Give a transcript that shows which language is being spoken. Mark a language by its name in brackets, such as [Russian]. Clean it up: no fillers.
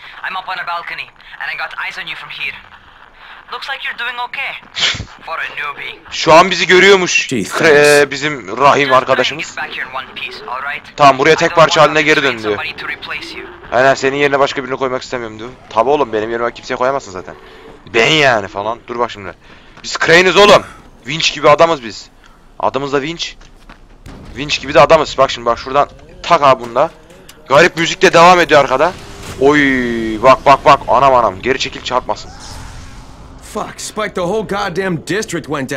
[English] I'm up on a balcony and I got eyes on you from here. Looks like you're doing okay for a newbie. [Turkish] Şu an bizi görüyormuş. Bizim Rahim arkadaşımız. Tamam, buraya tek parça haline geri dön diyor. Aynen, yani senin yerine başka birini koymak istemiyorum diyor. Tabi oğlum, benim yerime kimseye koyamazsın zaten. Ben yani falan. Dur bak şimdi. Biz Crane'iz oğlum. Winch gibi adamız biz. Adımız da Winch. Winch gibi de adamız. Bak şimdi bak şuradan tak abi bunda. Garip müzik de devam ediyor arkada. Oy bak bak bak, anam anam, geri çekil çarpmasın. [English] Fuck, Spike, the whole goddamn district went down.